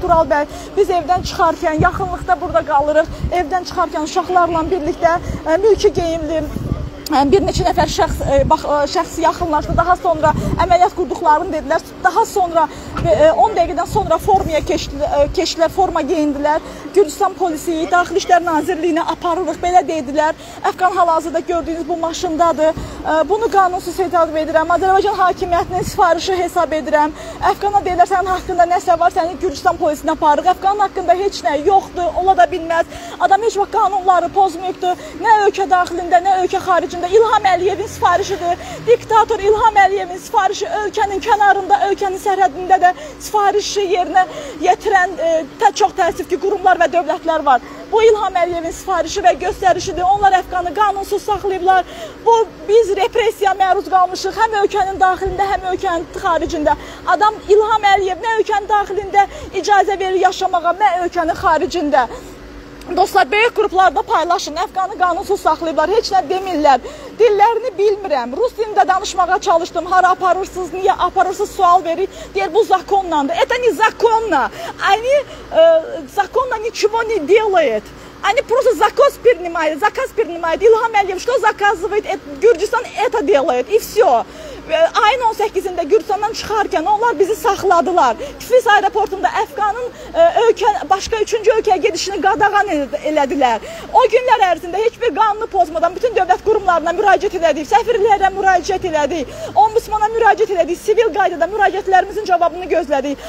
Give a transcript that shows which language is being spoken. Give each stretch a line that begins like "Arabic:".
Azerbaijani: Tural bəy, biz evdən çıxarkən, yaxınlıqda burada qalırıq, evdən çıxarkən uşaqlarla birlikdə mülki geyimli bir neçə nəfər şəxsi yaxınlaşdı, daha sonra əməliyyat qurduqlarını dedilər, daha sonra 10 dəqiqədən sonra formaya keçdilər, forma geyindilər. Gürcüstan polisiyi, Daxili İşlər Nazirliyinə aparırıq, belə deyidilər. Əfqan hal-hazırda gördüyünüz bu maşındadır. Bunu qanunsuz hesab edirəm, Azərbaycan hakimiyyətinin sifarişi hesab edirəm. Əfqana deyilər, sənin haqqında nəsə var, səni Gürcüstan polisiyinə aparırıq. Əfqanın haqqında heç nə yoxdur, ola da bilməz. Adam heç vaxt qanunları pozmuyubdur, nə ölkə daxilində, nə ölkə xaricində. İlham Əliyevin sifarişidir, diktator İlham Əliyevin sifarişi, ölkənin kənarında, ölkənin sərhədində də sifarişi yerinə yetirən, çox təəssüf ki, qurumlar və dövlətlər var. Bu, İlham Əliyevin sifarişi və göstərişidir. Onlar Əfqanı qanunsuz saxlayıblar. Bu, biz repressiya məruz qalmışıq həm ölkənin daxilində, həm ölkənin xaricində. Adam İlham Əliyev nə ölkənin daxilində icazə verir yaşamağa, nə ölkənin xaricində. Dostlar, böyük qruplarda paylaşın, Əfqanı qanunsuz saxlayıblar, heç nə demirlər. Dillərini bilmirəm, rus dilində danışmağa çalışdım, hara aparırsınız, niyə aparırsınız, sual verir, deyir, bu zakonlandır.
Russian: Это не законно, они законно ничего не делают. Они просто заказ принимают, заказ принимают. İlham Əliyev, что заказывает, Gürcüstan это делает, и все.
Azerbaijani: Ayın 18-də Gürcüstandan çıxarkən onlar bizi saxladılar. Tiflis aeroportunda Əfqanın başqa üçüncü ölkəyə gedişini qadağan elədilər. O günlər ərzində heç bir qanunu pozmadan bütün dövlət qurumlarına müraciət elədik, səfirlərə müraciət elədik, ombudsmana müraciət elədik, sivil qaydada müraciətlərimizin cavabını gözlədik.